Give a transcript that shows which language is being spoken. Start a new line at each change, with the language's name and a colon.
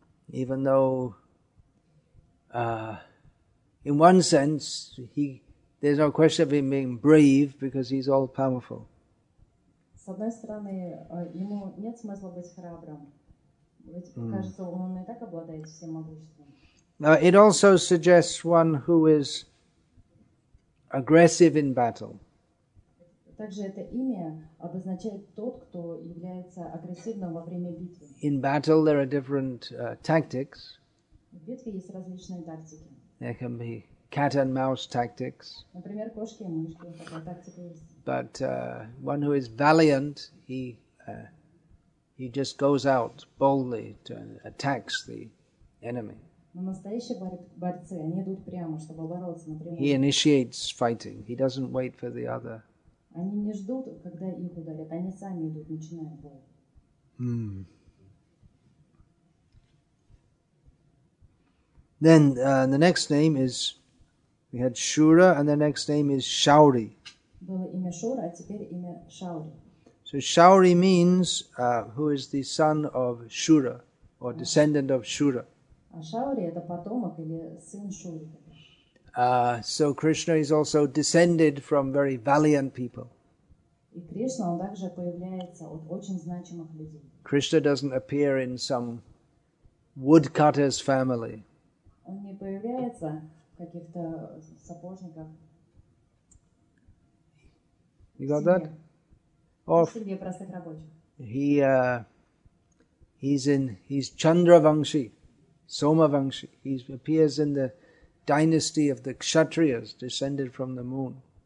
English: Even though in one sense there's no question of him being brave because he's all powerful.
Russian: С одной стороны, ему нет смысла быть храбрым. Ведь кажется, он и так обладает всем могуществом.
English: Now it also suggests one who is aggressive in battle.
Russian: Также это имя обозначает тот, кто является агрессивным во время битвы.
English: In battle there are different tactics.
Russian: В битве есть различные тактики.
English: There can be cat and mouse tactics.
Russian: Например, кошки и мышки, такая тактика есть.
English: But one who is valiant, he just goes out boldly to attack the enemy.
Russian: Но настоящие борцы, они идут прямо, чтобы бороться напрямую.
English: He initiates fighting. He doesn't wait for the other.
Russian: Они не ждут, когда их ударят, они сами идут, начинают бой.
English: Then the next name is, we had Shura, and the next name is Shauri.
Russian: Было имя Шура, а теперь имя Шаури.
English: So Shauri means who is the son of Shura, or descendant of Shura.
Russian: А Шаури это потомок или сын Шуры.
English: So Krishna is also descended from very valiant people.
Russian: И Кришна, он также появляется от очень значимых людей.
English: Krishna doesn't appear in some woodcutter's family.
Russian: Он не появляется в каких-то сапожниках.
English: You got that?
Russian: Or в семье простых рабочих.
English: He He's Chandravanshi, Somavanshi. He appears in the dynasty of the Kshatriyas, descended from the moon.